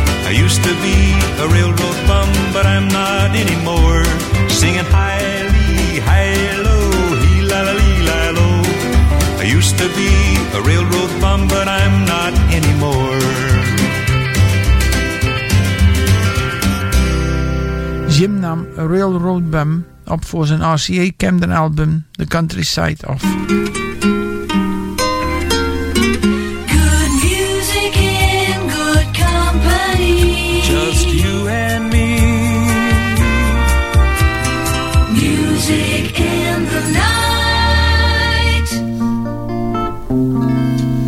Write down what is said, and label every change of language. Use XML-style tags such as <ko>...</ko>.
<en>I used to be a railroad bum, but I'm not anymore. Singing hi-lee, hi-low, hee-la-la-lee-la-lo. I used to be a railroad bum, but I'm not anymore.</en> <nl>Jim nam Railroad Bum op voor zijn RCA Camden album The Countryside of.</nl> <en>Good music in good company. Just you and me. Music in the night.</en>